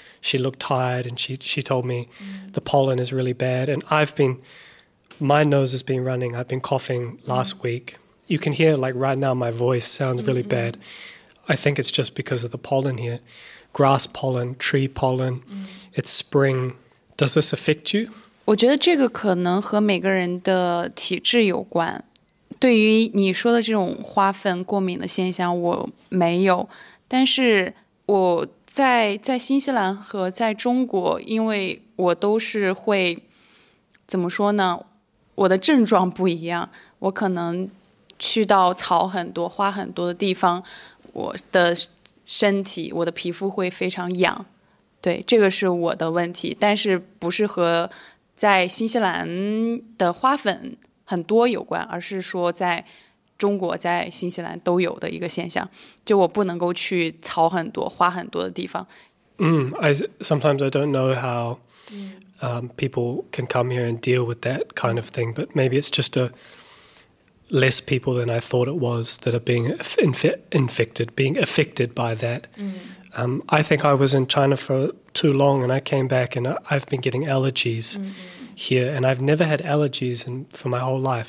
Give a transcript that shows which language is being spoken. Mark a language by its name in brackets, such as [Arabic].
[English] She looked tired and she told me the pollen is really bad. And my nose has been running. I've been coughing last week. You can hear like right now my voice sounds really bad. I think it's just because of the pollen here. Grass pollen, tree pollen. It's spring. Does this affect you? [Chinese] 我觉得这个可能和每个人的体质有关。对于你说的这种花粉过敏的现象，我没有。但是我在新西兰和在中国，因为我都是会，怎么说呢？我的症状不一样。我可能去到草很多、花很多的地方，我的身体、我的皮肤会非常痒。对，这个是我的问题，但是不是和在新西兰的花粉很多有关，而是说在中国在新西兰都有的一个现象，就我不能够去草很多花很多的地方。 [English] Sometimes I don't know how people can come here and deal with that kind of thing, but maybe it's just a less people than I thought it was that are being affected by that. I think I was in China for too long and I came back and I've been getting allergies here and I've never had allergies for my whole life.